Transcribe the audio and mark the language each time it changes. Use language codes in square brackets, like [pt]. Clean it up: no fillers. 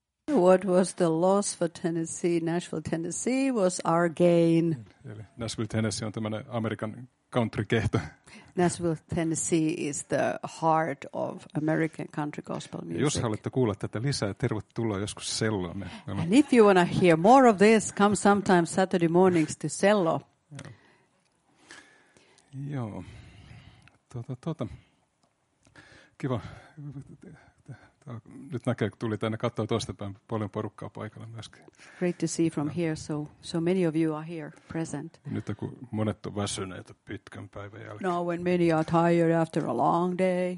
[en] What was the loss for Tennessee, Nashville, Tennessee, was our gain. [fi] Eli Nashville, Tennessee on tämmöinen Amerikan country-kehto. [en] Nashville, Tennessee is the heart of American country gospel music. [fi] Jos haluatte kuulla tätä lisää, tervetuloa joskus Selloon. [en] And if you want to hear more of this, come sometime Saturday mornings to Sello. [fi] Joo. Kiva. Nyt näkee, kun tuli tänne katsoa toistepäin, paljon porukkaa paikalla myöskin. [en] Great to see from here, so many of you are here present. [fi] Nyt kun monet on väsyneet pitkän päivän jälkeen. [en] No, when many are tired after a long day.